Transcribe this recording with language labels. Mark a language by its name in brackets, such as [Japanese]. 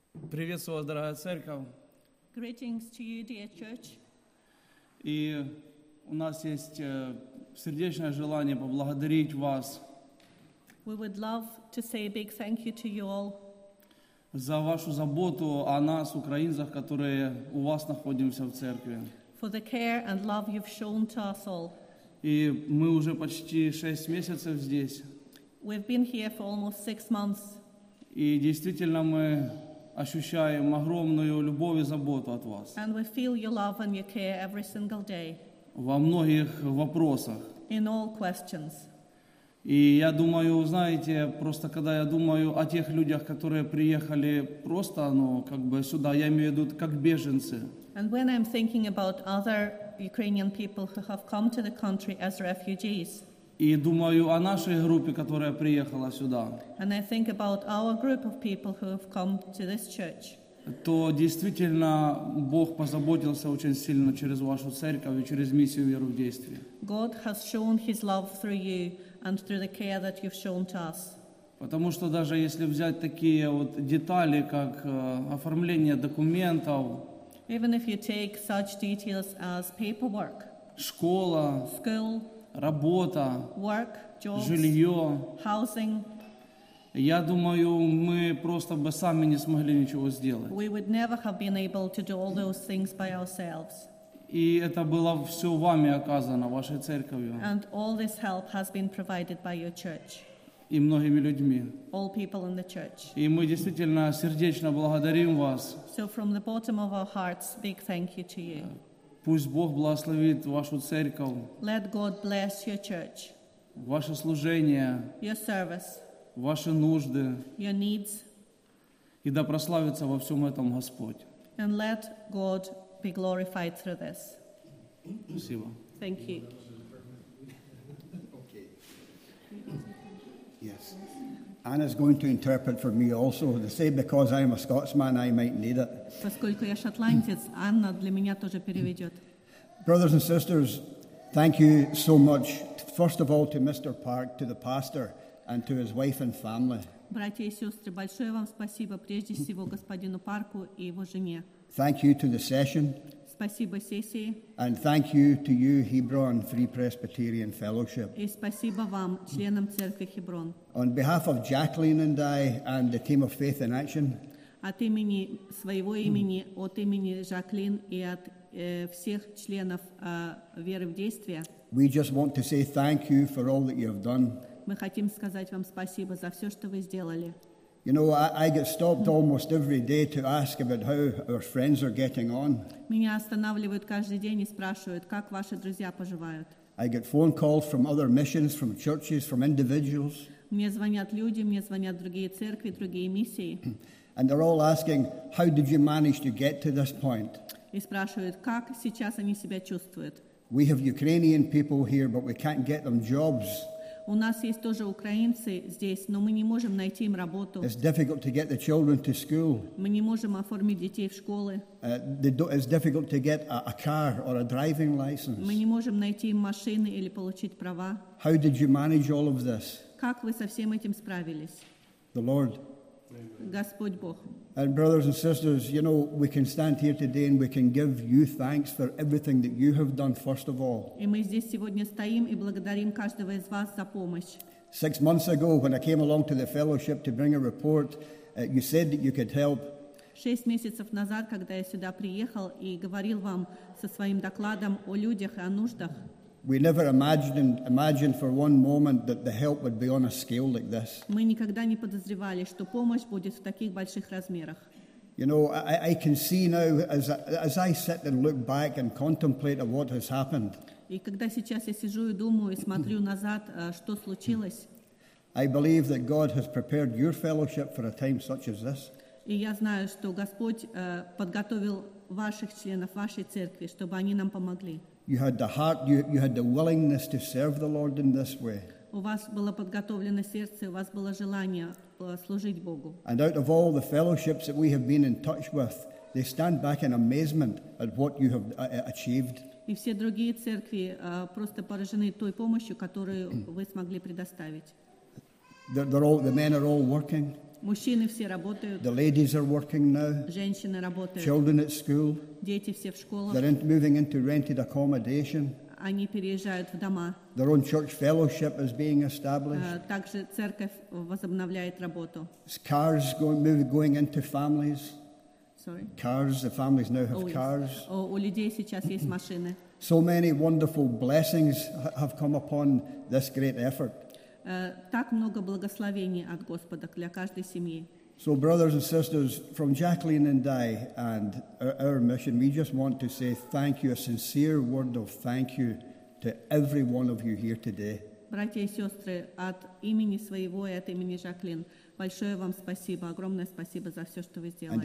[Russian] Приветствую вас, дорогая церковь. [English] Greetings to you, dear church. [Russian] И у нас есть сердечное желание поблагодарить вас. [English] We would love to say a big thank you to you all. [Russian] За вашу заботу о нас, украинцах, которые у вас находимся в церкви. [English] For the care and love you've shown to us all. [Russian] И мы уже почти 6 месяцев здесь. [English] We've been here for almost 6 months. [Russian] И действительно мы ощущаем огромную любовь и заботу от вас. [English] And we feel your love and your care every single day. [Russian] Во многих вопросах. [English] In all questions. [Russian] И я думаю, знаете, просто когда я думаю о тех людях, которые приехали просто, ну, как бы сюда, я имею в виду, как беженцы. [English] And when I'm thinking about other Ukrainian people who have come to the country as refugees. [Russian] И думаю о нашей группе, которая приехала сюда. [English] And I think about our group of people who have come to this church. [Russian] То действительно Бог позаботился очень сильно через вашу церковь и через миссию веру в действии. [English] God has shown his love through you and through the care that you've shown to us. [Russian] Потому что даже если взять такие вот детали, как оформление документов. [English] Even if you take such details as paperwork. [Russian] Школа. [English] School. [Russian] Работа, [English] work, jobs, [Russian] жилье, [English] housing. [Russian] Я думаю, мы просто бы сами не смогли ничего сделать. [English] We would never have been able to do all those things by ourselves. [Russian] И это было все вами оказано, вашей церковью. [English] And all this help has been provided by your church. [Russian] и многими людьми. [English] All people in the church. [Russian] И мы действительно сердечно благодарим вас. [English] So from the bottom of our hearts, big thank you to you. [Russian] Пусть Бог благословит вашу церковь. [English] Let God bless your church. [Russian] Ваше служение. [English] Your service. [Russian] Ваши нужды. [English] Your needs. [Russian] И да прославится во всем этом Господь. [English] And let God be glorified through this. [Russian] Спасибо. [English] Thank you. Yes. Anna's going to interpret for me also. They say because I'm a Scotsman, I might need it. [Russian] Поскольку я шотландец, Анна для меня тоже переведет. [English] Brothers and sisters, thank you so much. First of all, to Mr. Park, to the pastor, and to his wife and family. [Russian] Братья и сестры, большое вам спасибо прежде всего господину Парку и его жене. [English] Thank you to the session. [Russian] Спасибо сессии. [English] And thank you to you, Hebron Free Presbyterian Fellowship. [Russian] И спасибо вам, членам церкви Хеброн. [English] On behalf of Jacqueline and I and the team of Faith in Action. [Russian] От имени своего имени, от имени Жаклин и от всех членов веры в действие. [English] We just want to say thank you for all that you have done. [Russian] Мы хотим сказать вам спасибо за все, что вы сделали. [English] You know, I get stopped almost every day to ask about how our friends are getting on. [Russian] Меня останавливают каждый день и спрашивают, как ваши друзья поживают. [English] I get phone calls from other missions, from churches, from individuals. [Russian] Мне звонят люди, мне звонят другие церкви, другие миссии. [English] And they're all asking, how did you manage to get to this point? [Russian] И спрашивают, как сейчас они себя чувствуют. [English] We have Ukrainian people here, but we can't get them jobs. [Russian] У нас есть тоже украинцы здесь, но мы не можем найти им работу. [English] It's difficult to get the children to school. [Russian] Мы не можем оформить детей в школы. [English] It's difficult to get a car or a driving license. [Russian] Мы не можем найти им машины или получить права. [English] How did you manage all of this? [Russian] Как вы со всем этим справились? [English] The Lord. [Russian] Господь Бог. [English] And brothers and sisters, you know, we can stand here today and we can give you thanks for everything that you have done first of all. [Russian] И мы здесь сегодня стоим и благодарим каждого из вас за помощь. [English] 6 months ago, when I came along to the fellowship to bring a report, you said that you could help. [Russian] 6 месяцев назад, когда я сюда приехал и говорил вам со своим докладом о людях и о нуждах. [English] We never imagined for one moment that the help would be on a scale like this. [Russian] Мы никогда не подозревали, что помощь будет в таких больших размерах. [English] You know, I can see now as I sit and look back and contemplate of what has happened. [Russian] И когда сейчас я сижу и думаю и смотрю назад, что случилось. [English] I believe that God has prepared your fellowship for a time such as this. [Russian] И я знаю, что Господь подготовил ваших членов вашей церкви, чтобы они нам помогли. [English] You had the heart, you had the willingness to serve the Lord in this way. [Russian] У вас было подготовлено сердце, у вас было желание служить Богу. [English] And out of all the fellowships that we have been in touch with, they stand back in amazement at what you have achieved. [Russian] И все другие церкви просто поражены той помощью, которую вы смогли предоставить. [English] The men are all working. [Russian] Мужчины все работают. [English] The ladies are working now. [Russian] Женщины работают. [English] Children at school. [Russian] Дети все в школах. [English] They're moving into rented accommodation. [Russian] Они переезжают в дома. [English] Their own church fellowship is being established. [Russian] Также церковь возобновляет работу. [English] Cars going into families. Sorry. Cars, the families now have cars. [Russian] У людей сейчас есть машины. [English] So many wonderful blessings have come upon this great effort. [Russian] Так много благословений от Господа для каждой семьи. [English] So, brothers and sisters, from Jacqueline and I and our mission, we just want to say thank you, a sincere word of thank you to every one of you here today. [Russian] Братья и сестры, от имени своего и от имени Жаклин, большое вам спасибо, огромное спасибо за все, что вы сделали.